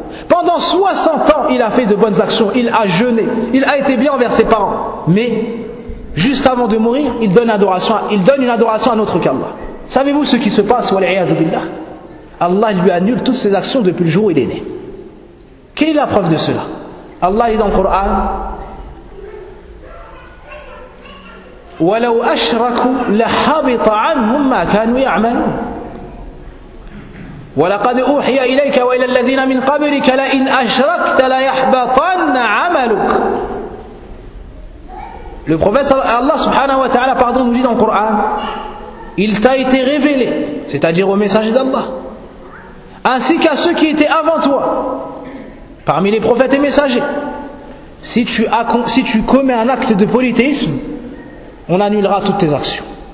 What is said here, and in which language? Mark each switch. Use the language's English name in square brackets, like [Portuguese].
[French] Pendant 60 ans, il a fait de bonnes actions. Il a jeûné. Il a été bien envers ses parents. Mais, juste avant de mourir, il donne une adoration à notre qu'Allah. Savez-vous ce qui se passe? [Arabic] Wal'iyadu billah. [French] Allah lui annule toutes ses actions depuis le jour où il est né. Quelle est la preuve de cela? Allah dit dans le Coran, [Arabic] وَلَوْ أَشْرَكُوا لَحَبِطَ عَنْهُمْ مَا كَانُوا يَعْمَلُونَ وَلَقَدْ أُوحِيَ إِلَيْكَ وَإِلَى الَّذِينَ مِنْ قَبْلِكَ لَئِنْ أَشْرَكْتَ لَيَحْبَطَنَّ عَمَلُكَ. [French] Le prophète Allah [Arabic] subhanahu wa ta'ala, [French] pardon, nous dit dans le Coran, il t'a été révélé, c'est-à-dire au messager d'Allah, ainsi qu'à ceux qui étaient avant toi, parmi les prophètes et messagers, si tu commets un acte de polythéisme, on annulera toutes tes actions.